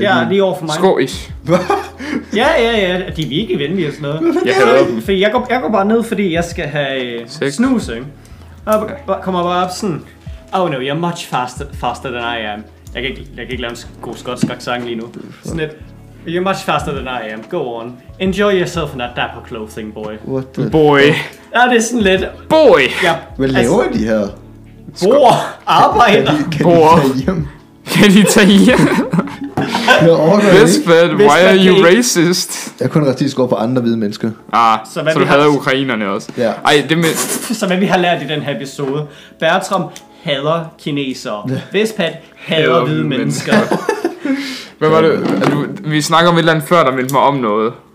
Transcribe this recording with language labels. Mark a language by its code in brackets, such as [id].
[da] Ja, lige over for mig. Skois. Ja, ja, ja. De er virkelig venlige og sådan noget. Jeg hader dem. Fordi jeg går bare ned, fordi jeg skal have snus, ikke? Og kommer bare op sådan, [en] oh no, you're much faster than I am. [da] Jeg kan ikke lave en god skotsk accent lige nu. Sådan et, [en] you're much faster than I am, go on. Enjoy yourself in that dapper clothing, boy. What the... Boy. [da] Ja, det er sådan lidt... [en] Boy! [da] Ja, hvad laver altså, de her? Bor! Arbejder! Kan de tage hjem? Kan de tage hjem? Nå, ordentligt. [en] Vestfad, why are you racist? [da] Jeg er kun racistisk over for andre hvide mennesker. Ah, så du hader ukrainerne også. Ja. Ej, det med... Så hvad vi har lært i den her episode. Bertram hader kinesere. Vestfad hader hvide mennesker. Hvad var det? Vi snakker om et eller andet før, der meldte mig om noget.